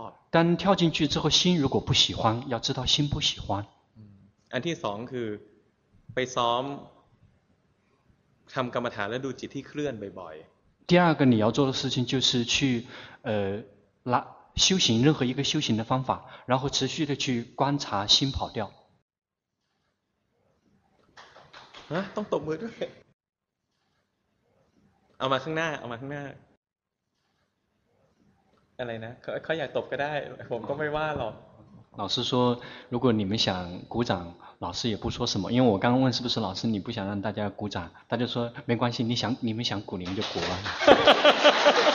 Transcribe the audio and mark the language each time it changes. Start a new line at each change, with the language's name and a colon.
Chinese: 当跳进去之后心如果不喜欢要知道心不喜欢第二个你要做的事情就是去拉修行任何一个修行的方法然后持续的去观察心跑掉
Thai: 啊ต้องตบมือด้วยเอามาข้างหน้าเอามาข้างหน้าอะไรนะเขาอยากตบก็ได้ผมก็ไม่ว่าหรอก
Chinese: 老师说如果你们想鼓掌老师也不说什么因为我刚刚问是不是老师你不想让大家鼓掌大家说没关系你们想鼓你们就鼓吧